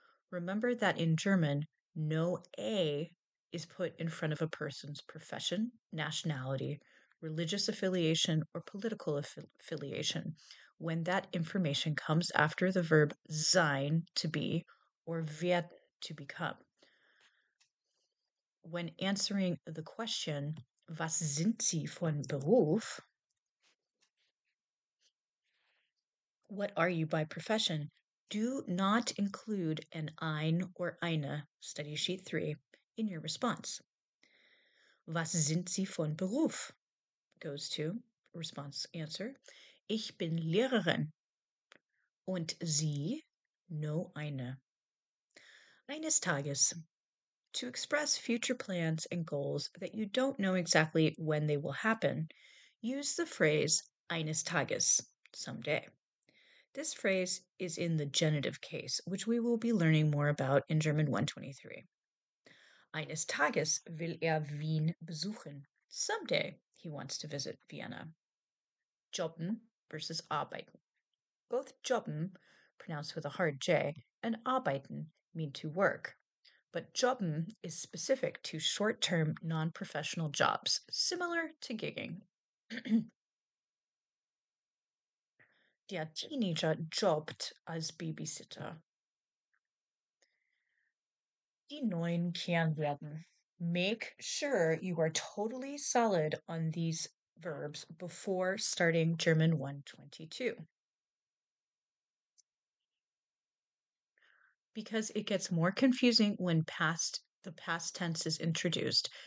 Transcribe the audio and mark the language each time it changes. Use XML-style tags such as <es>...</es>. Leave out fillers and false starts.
<en>Remember that in German, no A is put in front of a person's profession, nationality, religious affiliation, or political affiliation when that information comes after the verb sein, to be, or werden, to become. When answering the question,</en> <de>was sind Sie von Beruf?</de> <en>What are you by profession? Do not include an ein or eine, study sheet 3, in your response.</en> <de>Was sind Sie von Beruf?</de> <en>Goes to response answer.</en> <de>Ich bin Lehrerin. Und Sie?</de> <en>No</en> <de>eine. Eines Tages.</de> <en>To express future plans and goals that you don't know exactly when they will happen, use the phrase eines Tages, someday. This phrase is in the genitive case, which we will be learning more about in German 123.</en> <de>Eines Tages will Wien besuchen.</de> <en>Someday he wants to visit Vienna. Jobben versus arbeiten. Both jobben, pronounced with a hard J, and arbeiten mean to work. But jobben is specific to short-term non-professional jobs, similar to gigging.</en> <de>der Teenager jobbt als Babysitter. Die neuen Kernverben.</de> <en>Make sure you are totally solid on these verbs before starting German 122. Because it gets more confusing when the past tense is introduced.</en>